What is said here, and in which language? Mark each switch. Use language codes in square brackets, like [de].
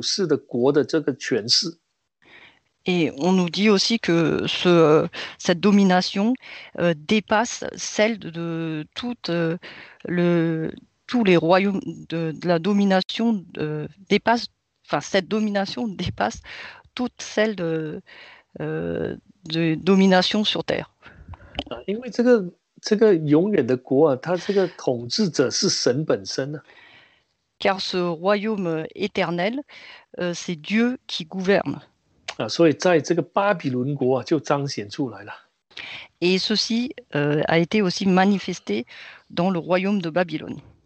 [zh] 那在第三章也是一样，让他们看到说，这个部署地上的国的这个权势是大过远远的超过地上的这些属世的国的这个权势。 [fr] Et on nous dit aussi que cette domination dépasse celle de tous les royaumes de la domination dépasse enfin cette domination dépasse toute celle de domination sur terre. [zh] 因为这个永远的国啊，它这个统治者是神本身呢。 [fr] Car ce royaume éternel, c'est Dieu qui gouverne. [zh] 所以在这个巴比伦国啊，就彰显出来了。 [fr] Et ceci a été aussi manifesté dans le royaume de Babylone.